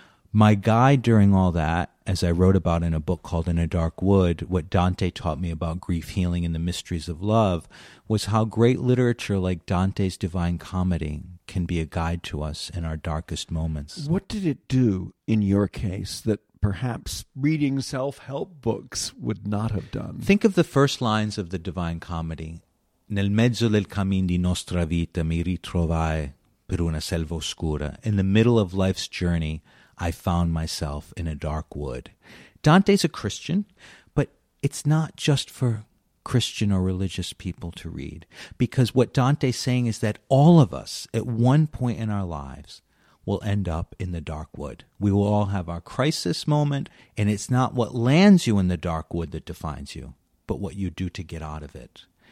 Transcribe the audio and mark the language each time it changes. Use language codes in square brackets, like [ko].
[en] My guide during all that, as I wrote about in a book called In a Dark Wood, what Dante taught me about grief healing and the mysteries of love, was how great literature like Dante's Divine Comedy can be a guide to us in our darkest moments. What did it do in your case that perhaps reading self-help books would not have done? Think of the first lines of the Divine Comedy. [it] Nel mezzo del cammin di nostra vita mi ritrovai per una selva oscura. [en] In the middle of life's journey, I found myself in a dark wood. Dante's a Christian, but it's not just for Christian or religious people to read. Because what Dante's saying is that all of us, at one point in our lives, will end up in the dark wood. We will all have our crisis moment, and it's not what lands you in the dark wood that defines you, but what you do to get out of it.